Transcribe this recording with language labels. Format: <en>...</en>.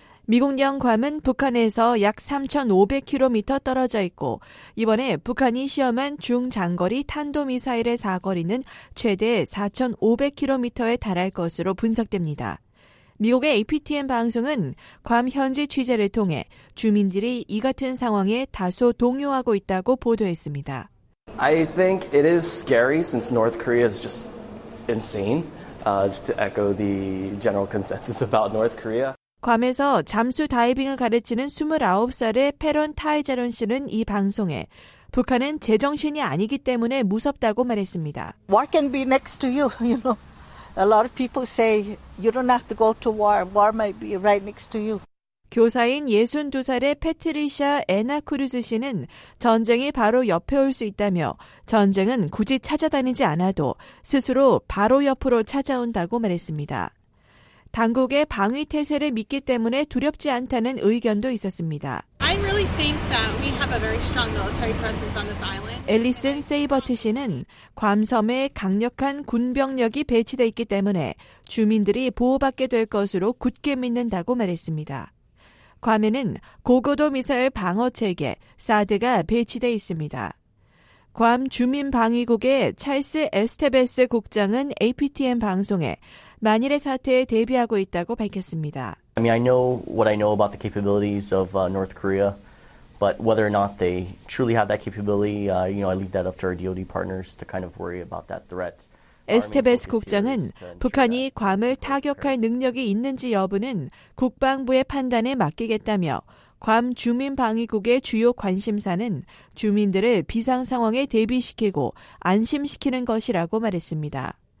<ko>미국령 괌은 북한에서 약 3,500km 떨어져 있고 이번에 북한이 시험한 중장거리 탄도미사일의 사거리는 최대 4,500km에 달할 것으로 분석됩니다. 미국의 APTN 방송은 괌 현지 취재를 통해 주민들이 이 같은 상황에 다소 동요하고 있다고 보도했습니다.</ko> <en>I think it is scary since North Korea is just insane to echo the general consensus about North Korea.</en> <ko>괌에서 잠수 다이빙을 가르치는 29살의 페런 타이자론 씨는 이 방송에 북한은 제정신이 아니기 때문에 무섭다고 말했습니다.</ko> <en>What can be next to you, you know? A lot of people say you don't have to go to war. War might be right next to you.</en> <ko>교사인 62살의 패트리샤 에나 크루즈 씨는 전쟁이 바로 옆에 올 수 있다며 전쟁은 굳이 찾아다니지 않아도 스스로 바로 옆으로 찾아온다고 말했습니다. 당국의 방위 태세를 믿기 때문에 두렵지 않다는 의견도 있었습니다.</ko> <en>I really think that we have a very strong military presence on this island.</en> <ko>앨리슨 세이버트 씨는 괌섬에 강력한 군병력이 배치되어 있기 때문에 주민들이 보호받게 될 것으로 굳게 믿는다고 말했습니다. 괌에는 고고도 미사일 방어체계 사드가 배치되어 있습니다. 괌 주민방위국의 찰스 에스테베스 국장은 APTN 방송에 만일의 사태에 대비하고 있다고 밝혔습니다.</ko> <en>I mean, I know what I know about the capabilities of North Korea, but whether or not they truly have that capability, you know, I leave that up to our DOD partners to kind of worry about that threat.</en> <ko>에스테베스 국장은 북한이 괌을 타격할 능력이 있는지 여부는 국방부의 판단에 맡기겠다며 괌 주민방위국의 주요 관심사는 주민들을 비상상황에 대비시키고 안심시키는 것이라고 말했습니다.</ko>